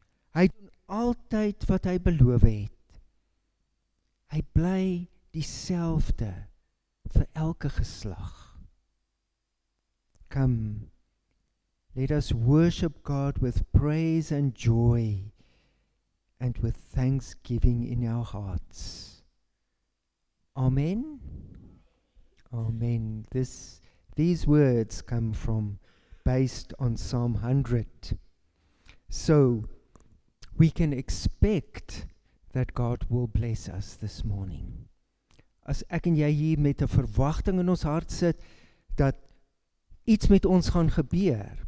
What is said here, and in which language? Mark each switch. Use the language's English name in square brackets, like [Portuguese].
[Afrikaans] Hy doen altyd wat hy beloof het. Hy bly dieselfde vir elke geslag. [English] Come, let us worship God with praise and joy and with thanksgiving in our hearts. Amen. Amen. These words come from, based on Psalm 100. So we can expect that God will bless us this morning. [Afrikaans] As ek en jy hier met 'n verwagting in ons hart sit, dat iets met ons gaan gebeur.